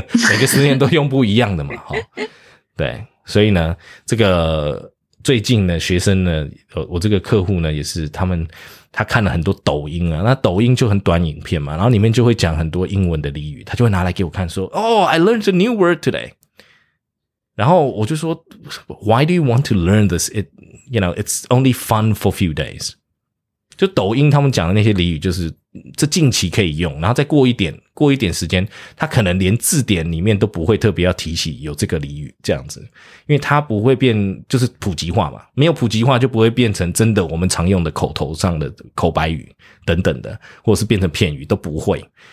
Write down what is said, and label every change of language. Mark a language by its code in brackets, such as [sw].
[zh] 每个十年都用不一样的嘛，哈、哦，对，所以呢，这个最近呢，学生呢，我这个客户呢，也是他看了很多抖音啊，那抖音就很短影片嘛，然后里面就会讲很多英文的俚语，他就会拿来给我看说 [en] Oh, I learned a new word today. [zh] 然后我就说 [en] Why do you want to learn this? It, you know, it's only fun for a few days. [zh] 就抖音他们讲的那些俚语就是这近期可以用，然后再过一点时间，他可能连字典里面都不会特别要提起有这个俚语这样子，因为他不会变，就是普及化嘛，没有普及化就不会变成真的我们常用的口头上的口白语等等的，或者是变成片语都不会。